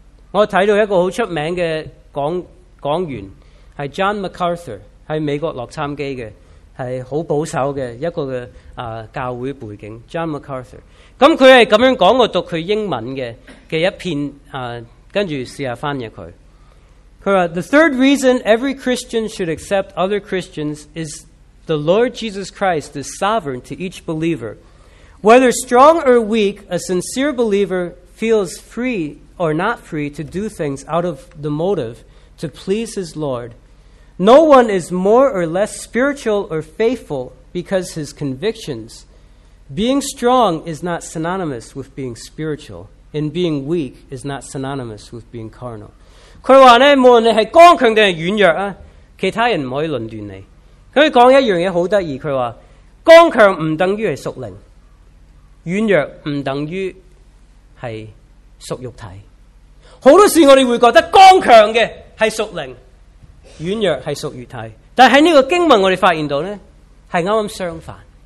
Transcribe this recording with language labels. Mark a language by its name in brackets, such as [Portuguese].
[Chinese] 我看到一个很出名的 讲员是 John MacArthur， 是美国洛杉矶的，是很保守的一个的、教会背景 John MacArthur。他是这样讲，我读他英文 的一篇、跟着试试翻译他。 [English] The third reason every Christian should accept other Christians is the Lord Jesus Christ is sovereign to each believer. Whether strong or weak, a sincere believer feels free or not free to do things out of the motive to please his Lord. No one is more or less spiritual or faithful because his convictions. Being strong is not synonymous with being spiritual, and being weak is not synonymous with being carnal. [Chinese] 他说呢，无论你是刚强还是软弱，其他人不可以论断你。他说一件事很有趣，他说刚强不等于是属灵，软弱不等于是属肉体。很多事我们会觉得刚强的是属灵，软弱是属肉体，但在这个经文我们发现到呢，是刚刚相反。